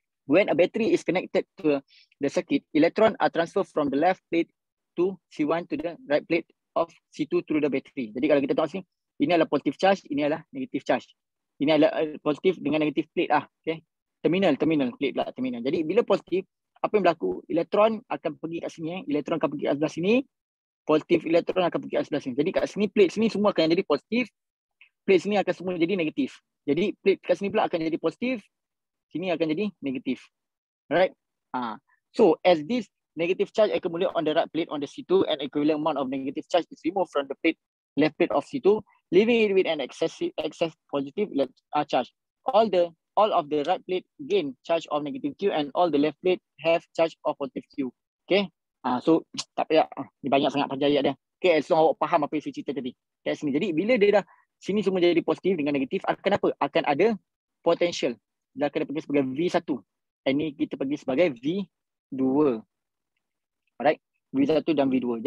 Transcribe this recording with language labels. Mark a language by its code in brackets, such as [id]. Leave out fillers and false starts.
[en] When a battery is connected to the circuit, electron are transferred from the left plate to C1 to the right plate of C2 through the battery. [ms] Jadi kalau kita tengok sini, ini adalah positive charge, ini adalah negative charge. Ini adalah positive dengan negative plate lah. Okay. Terminal plate pula, terminal. Jadi bila positive, apa yang berlaku? Elektron akan pergi kat sini. Elektron akan pergi kat sebelah sini. Positive elektron akan pergi kat sebelah sini. Jadi kat sini, plate sini semua akan jadi positive. Plate sini akan semua jadi negatif. Jadi plate kat sini pula akan jadi positive. Sini akan jadi negatif. Alright? [en] So, as this negative charge accumulate on the right plate on the C2 and equivalent amount of negative charge is removed from the plate, left plate of C2, leaving it with an excess positive charge. All of the right plate gain charge of negative Q and all the left plate have charge of positive Q. [ms] Okay? So, tak payah. Ini banyak sangat panjang ayat dia. Okay, so awak faham apa yang saya cerita tadi. Kat sini. Jadi, bila dia dah sini semua jadi positif dengan negatif, akan apa? Akan ada potential. Dia akan pergi sebagai V1. And ni kita pergi sebagai V2. Alright? V1 dan V2.